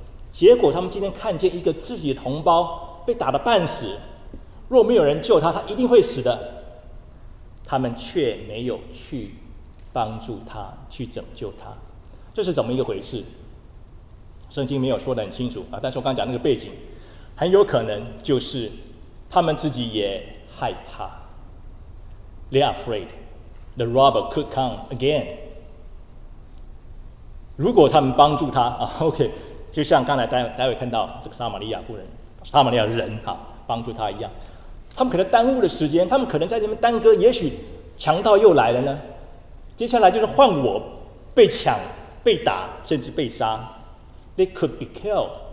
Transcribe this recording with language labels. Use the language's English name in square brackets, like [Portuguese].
[Chinese] 结果他们今天看见一个自己的同胞被打得半死，若没有人救他，他一定会死的，他们却没有去帮助他，去拯救他，这是怎么一个回事？圣经没有说得很清楚啊，但是我刚讲那个背景，很有可能就是他们自己也害怕。 [English] They are afraid the robber could come again. [Chinese] 如果他们帮助他啊 ，OK， 就像刚才待会看到这个撒玛利亚妇人、撒玛利亚人哈、啊，帮助他一样，他们可能耽误了时间，他们可能在这边耽搁，也许强盗又来了呢。接下来就是换我被抢。被打甚至被杀 [English] They could be killed.